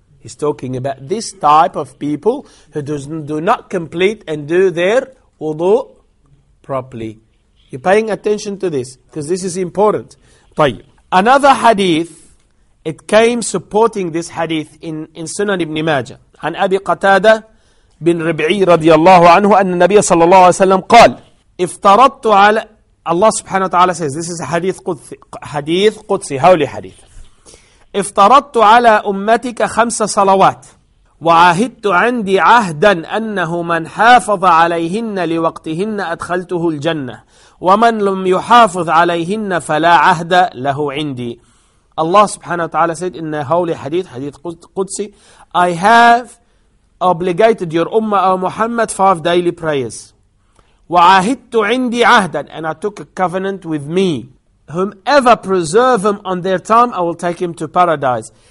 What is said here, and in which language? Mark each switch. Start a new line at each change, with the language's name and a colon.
English: He's talking about this type of people who do not complete and do their wudu properly. You're paying attention to this, because this is important. Another hadith, it came supporting this hadith in Sunan Ibn Majah.
Arabic: عن أبي قتادة بن ربعي رضي الله عنه أن النبي صلى الله عليه وسلم قال افترضت على الله سبحانه وتعالى
English: says this is a hadith
Arabic: قدسي, hadith قدسي,
English: holy hadith.
Arabic: افترضت على أمتك 5 صلوات وعهدت عندي عهدا أنه من حافظ عليهن لوقتهن أدخلته الجنة ومن لم يحافظ عليهن فلا عهد له عندي.
English: Allah subhanahu wa ta'ala said in a holy hadith, hadith Qudsi, I have obligated your ummah, O Muhammad, 5 daily prayers.
Arabic: وَعَهِدْتُ عِنْدِي عَهْدًا,
English: and I took a covenant with me. Whomever preserve him on their time, I will take him to paradise.